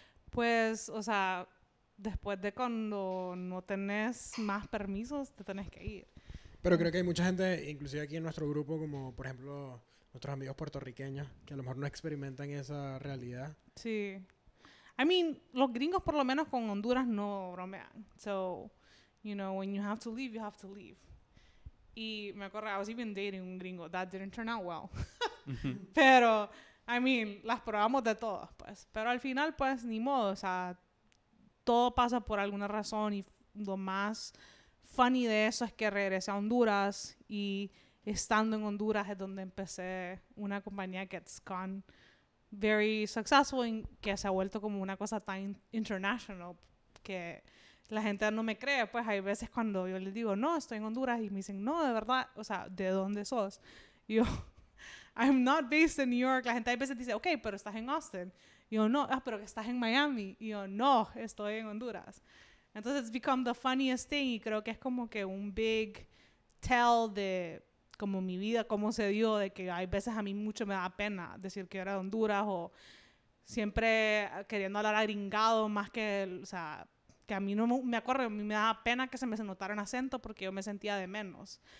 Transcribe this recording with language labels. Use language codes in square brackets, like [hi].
[es] Pues, o sea, después de cuando no tenés más permisos, te tenés que ir. Pero creo que hay mucha gente, inclusive aquí en nuestro grupo, como por ejemplo nuestros amigos puertorriqueños, que a lo mejor no experimentan esa realidad. Sí. [en] I mean, [es] los gringos por lo menos con Honduras no bromean. [en] So, you know, when you have to leave, you have to leave. [es] Y me acuerdo, [en] I was even dating un gringo. That didn't turn out well. [es] Pero, [en] I mean, [es] las probamos de todas, pues. Pero al final, pues, ni modo, o sea, todo pasa por alguna razón y lo más funny de eso es que regresé a Honduras y estando en Honduras es donde empecé una compañía que es [en] gone very successful [es] y que se ha vuelto como una cosa tan international que la gente no me cree. Pues hay veces cuando yo les digo, no, estoy en Honduras y me dicen, no, de verdad, o sea, ¿de dónde sos? Y yo, [en] I'm not based in New York. [es] La gente a veces dice, okay, pero estás en Austin. Yo, no, ah, pero que estás en Miami. Y yo, no, estoy en Honduras. Entonces, [en] it's become the funniest thing. [es] Y creo que es como que un [en] big tell [es] de como mi vida, cómo se dio, de que hay veces a mí mucho me da pena decir que era de Honduras o siempre queriendo hablar agringado más que, o sea, que a mí no me acuerdo, a mí me da pena que se me notara un acento porque yo me sentía de menos.